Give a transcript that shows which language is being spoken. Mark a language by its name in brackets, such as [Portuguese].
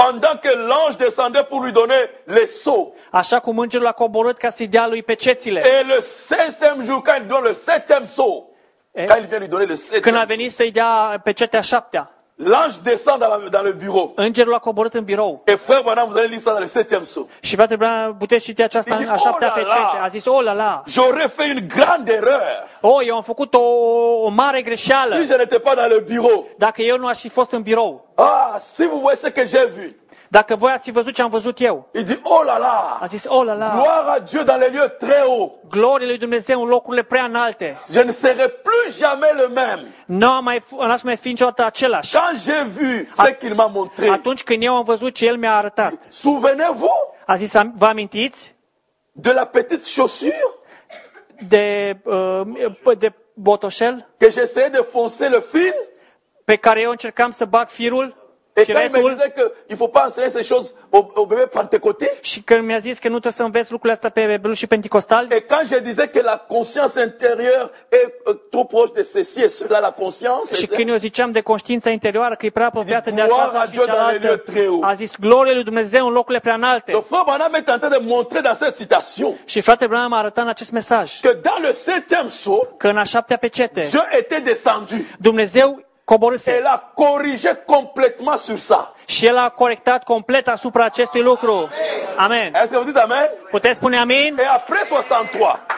[French] Pendant que l'ange descendait pour lui donner les sceaux. [Romanian] Așa cum îngerul a coborât ca să-i dea lui pecețile. [French] Et le septième jour quand il donne le septième sceau. Quand il vient lui donner le sept. [Romanian] Când a venit să-i dea pecetea șaptea. [French] L'ange descend dans le bureau. [Romanian] Îngerul a coborât în birou. [French] Et frère Branham, vous allez lire ça dans le septième sceau. [Romanian] Și frate Branham, puteți citi aceasta a șaptea pecete. A zis, [French] oh la la. J'aurais fait une grande erreur. [Romanian] Oh, eu am făcut o mare greșeală. [French] Si je n'étais pas dans le bureau. [Romanian] Dacă eu nu aș fi fost în birou. [French] Ah, si vous voyez ce que j'ai vu. [Romanian] Dacă voi ați văzut ce am văzut eu. A zis, [French] oh la la. Gloire à Dieu dans les lieux très hauts. [Romanian] Gloria lui Dumnezeu în locurile prea înalte. [French] Je ne serai plus jamais le même. [Romanian] Nu aș mai fi niciodată același. [French] Quand j'ai vu ce qu'il m'a montré. [Romanian] Atunci când eu am văzut ce el mi-a arătat. [French] Souvenez-vous? [Romanian] A zis, vă amintiți? [French] De la petite chaussure? [Romanian] De botoșel? [French] Que j'essayais de foncer le fil? [Romanian] Pe care eu încercam să bag firul? [French] Et quand il me disait que il faut pas enseigner ces choses au bébé pentecostal. [Romanian] Și când mi-a zis că nu trebuie să înveți lucrurile astea pe bebeluși pentecostali. [French] Et quand je disais que la conscience intérieure est trop proche de ceci et cela la conscience. [Romanian] Și când eu ziceam de conștiința interioară că e prea apropiată de aceasta și cealaltă. A zis gloria lui Dumnezeu în locurile prea înalte. [French] Donc frère Branham est en train de montrer dans cette citation. [Romanian] Și frate Branham a arătat în acest mesaj. [French] Que dans le septième sceau. [Romanian] Că în a șaptea pecete. [French] Dieu était descendu. [Romanian] Dumnezeu coborâse. El a corijat [French] completement sur ça. [Romanian] Și el a corectat complet asupra acestui lucru. Amen. Amen. Puteți spune amin? [French] Et après 63.